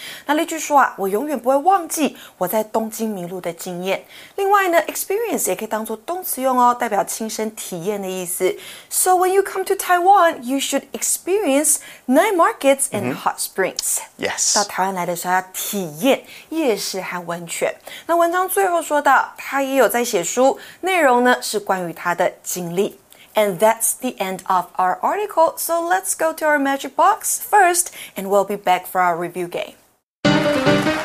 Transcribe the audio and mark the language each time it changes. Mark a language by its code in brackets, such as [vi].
[zh] 那例句说啊，我永远不会忘记我在东京迷路的经验。另外呢 ，experience 也可以当作动词用哦，代表亲身体验的意思。 [en] So when you come to Taiwan, you should experience night markets and hot springs. Yes. [zh] 到台湾来的时候要体验夜市和温泉。那文章最后说到，他也有在写书内。内容呢是关于他的经历。 [en] And that's the end of our article. So let's go to our magic box first, and we'll be back for our review game.